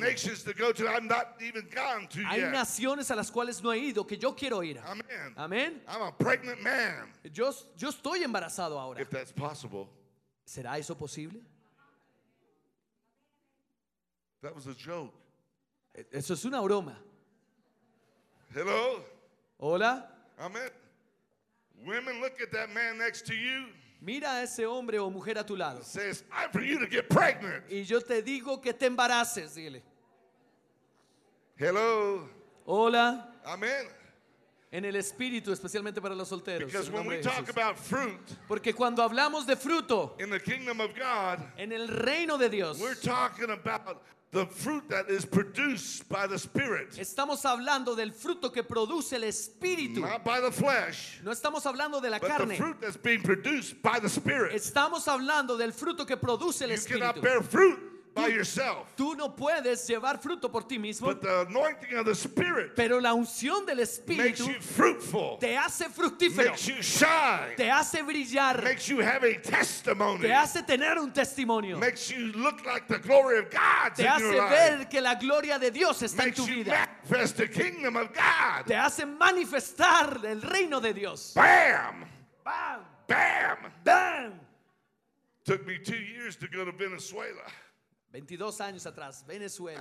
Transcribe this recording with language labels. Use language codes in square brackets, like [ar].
[en] Got nations to go to, I'm not even gone to [es] hay [en] yet. [es] Hay naciones a las cuales no he ido que yo quiero ir. [en] Amen. [es] Amen. [en] I'm a pregnant man. [es] Yo estoy embarazado ahora. [en] If that's possible. [es] ¿Será eso posible? [en] That was a joke. [es] Eso es una broma. [en] Hello. [es] Hola. [en] Amen. Women, look at that man next to you. [es] Mira a ese hombre o mujer a tu lado. [en] Says, I'm for you to get pregnant. [es] Y yo te digo que te embaraces, dile. [en] Hello. [es] Hola. [en] Amen. [es] En el espíritu, especialmente para los solteros. [en] Because when we talk about fruit, [es] porque cuando hablamos de fruto, [en] in the kingdom of God, [es] en el reino de Dios, [en] we're talking about the fruit that is produced by the Spirit. [es] Estamos hablando del fruto que produce el Espíritu. [en] Not by the flesh. [es] No estamos hablando de la [en] but [es] carne. [en] But the fruit that's being produced by the Spirit. [es] Estamos hablando del fruto que produce el [en] you [es] Espíritu. [en] You cannot bear fruit by yourself. [es] Tú no puedes llevar fruto por ti mismo. [en] But the anointing of the Spirit. [es] Pero la unción del Espíritu [en] makes you fruitful. [es] Te hace fructífero. [en] Makes you shine. [es] Te hace brillar. [en] Makes you have a testimony. [es] Te hace tener un testimonio. [en] Makes you look like the glory of God. [es] Te hace ver que la gloria de Dios está en tu vida. [en] Makes you manifest the kingdom of God. [es] Te hace manifestar el reino de Dios. Bam. Bam. Bam. Bam. [en] Took me 2 years to go to Venezuela. [es] 22 años atrás, Venezuela.